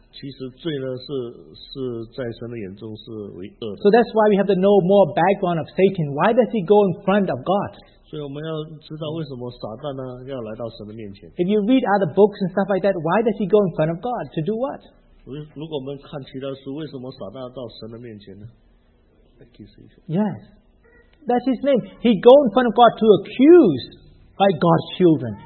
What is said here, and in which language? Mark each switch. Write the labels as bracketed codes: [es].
[zh] 其实罪呢是在神的眼中是为恶的。 [en] So that's why we have to know more background of Satan. Why does he go in front of God? [zh] 所以我们要知道为什么撒旦呢要来到神的面前。 [en] If you read other books and stuff like that, why does he go in front of God? To do what? [zh] 如果我们看其他书，为什么撒旦要到神的面前呢? [en] Yes. That's his name. He go in front of God to accuse, like God's children.